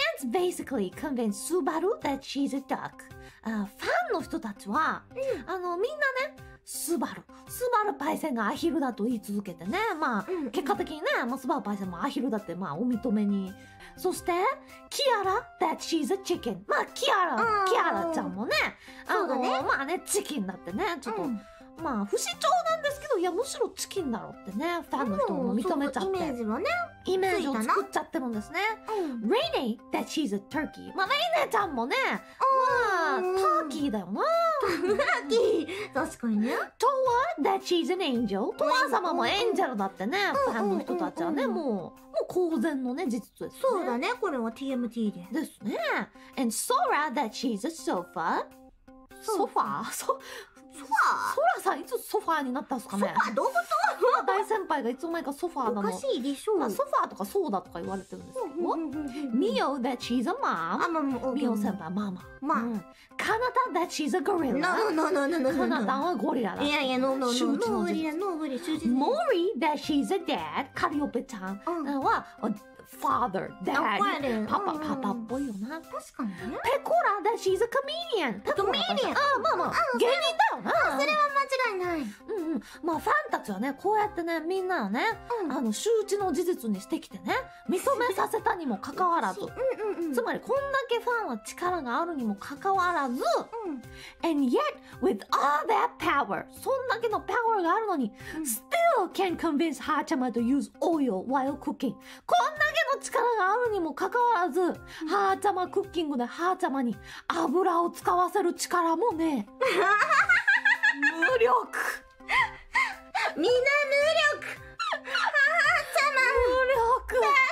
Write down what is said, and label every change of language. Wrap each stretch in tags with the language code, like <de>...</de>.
<en>Fans basically convince Subaru that she's a duck.</en> <ja>ファンの人たちは、うん、あのみんなね、スバルパイセンがアヒルだと言い続けてね、まあ、うん、結果的にね、まあスバルパイセンもアヒルだってまあお認めに。そして、</ja> <en>キアラ、that she's a chicken。</en> <ja>まあ、キアラちゃんもね、あの、そうだね、まあね、チキンだってね、ちょっと、うん、まあ、不死鳥なんですけど、いや、むしろチキンだろってね、ファンの人も認めちゃって。うん、イメージもね、イメージを作っちゃってるんですね。うん、</ja> <en>レイネイ、that she's a turkey。</en> <ja>まあ、レイネちゃんもね、うん、まあ、ターキーだよな。ターキー、確かにね。</ja> <en>トワ、that she's an angel。</en> <ja>トワ様もエンジェルだってね、うん、ファンの人たちはね、うん、もう、公然のね、事実ですね。そうだね、これは TMT で。ですね。</ja> <en>And Sora, that she's a sofa.</en> <ja>ソファー？ソラさん、いつソファーになったんすかね。ソファー、動物は大先輩がいつの間にかソファーなの。おかしいでしょう、まあ。ソファーとかソーダとか言われてるんですけど。ミオ、</ja> <en>that she's a mom.</en> <ja>あ、まあ、ミオ先輩、ママ。まあ。</ja> <en>カナタ、that she's a gorilla. No, no, no, no, no.</en> <ja>カナタはゴリラだ。いやいや、</ja> <en>no, no, no, no.</en> <ja>ノーブリ、ノーブリ、主人。</ja> <en>モーリー、that she's a dad.</en> <ja>カリオペちゃん、うん、</ja> <en>は、father, dad, papa,</en> <ja>papa っぽいよな。確かにね。</ja> <en>ペコラ、that she's a comedian. ペコラ、comedian.</en> <ja>あ、まあまあ、芸人だよな。それは間違いない。うんうん。まあ、ファンたちはね、こうやってね、みんなをね、うん、あの、周知の事実にしてきてね、認めさせたにもかかわらず。うんうんうん。つまり、こんだけファンは力があるにもかかわらず、うん、</ja> <en>and yet, with all that power,</en> <ja>そんだけのパワーがあるのに、うん、</ja> <en>still can convince Hachama to use oil while cooking.</en> <ja>こんだけの力があるにもかかわらず、うん、ハーチャマクッキングでハーチャマに油を使わせる力もね無力みんな無力ハーチャマ無力</ja>